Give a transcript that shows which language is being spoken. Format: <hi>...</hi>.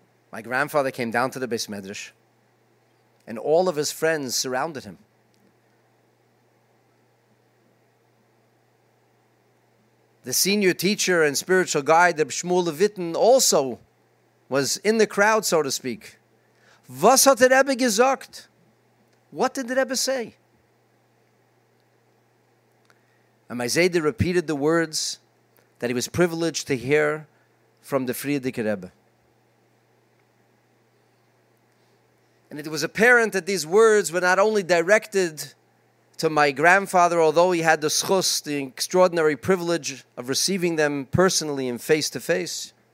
<en>My grandfather came down to the Beis Medrash and all of his friends surrounded him. The senior teacher and spiritual guide, the Shmuel Levitin, also was in the crowd, so to speak.</en> <de>Was hat der Rebbe gesagt?</de> <en>What did the Rebbe say? And my Zayde repeated the words that he was privileged to hear from the Friedrich Rebbe. And it was apparent that these words were not only directed to my grandfather, although he had the schus, the extraordinary privilege of receiving them personally and face to face.</en>